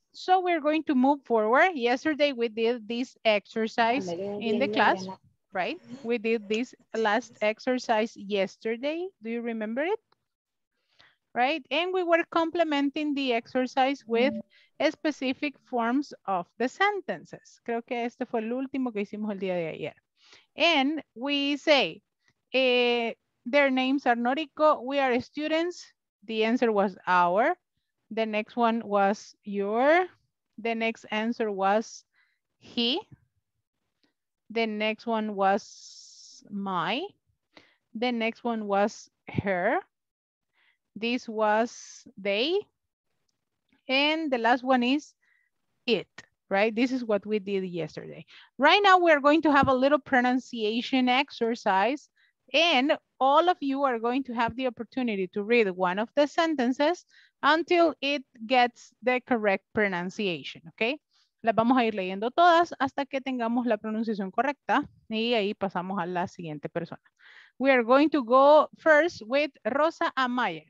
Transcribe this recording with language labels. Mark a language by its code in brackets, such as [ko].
[en] So we're going to move forward. Yesterday we did this exercise in the class. Right? We did this last exercise yesterday. Do you remember it? Right? And we were complementing the exercise with specific forms of the sentences. [es] Creo que este fue el último que hicimos el día de ayer. [en] And we say, their names are Noriko. We are students. The answer was our. The next one was your. The next answer was he. The next one was my. The next one was her. This was they. And the last one is it, right? This is what we did yesterday. Right now, we're going to have a little pronunciation exercise, and all of you are going to have the opportunity to read one of the sentences until it gets the correct pronunciation, okay? [es] Las vamos a ir leyendo todas hasta que tengamos la pronunciación correcta y ahí pasamos a la siguiente persona. [en] We are going to go first with Rosa Amaya.